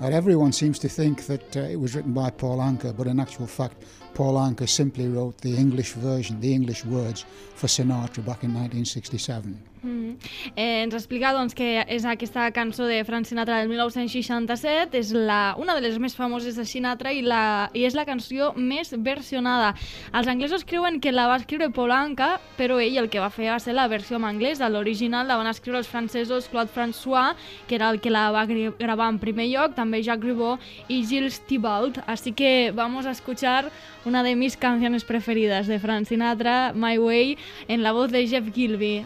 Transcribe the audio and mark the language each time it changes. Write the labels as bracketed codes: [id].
[en] And everyone seems to think that it was written by Paul Anka, but in actual fact, Paul Anka simply wrote the English version, the English words, for Sinatra back in 1967. Mm-hmm. [ca] Ens explica, doncs, que és aquesta cançó de Frank Sinatra del 1967, és una de les més famoses de Sinatra i és la canció més versionada. Els anglesos creuen que la va escriure Paul Anka, però ell el que va fer va ser la versió en anglès. De l'original la van escriure els francesos Claude François, que era el que la va gravar en primer lloc, també Jacques Rivo i Gilles Thibault. [es] Así que vamos a escuchar una de mis canciones preferidas de Frank Sinatra, My Way, en la voz de Jeff Gilby.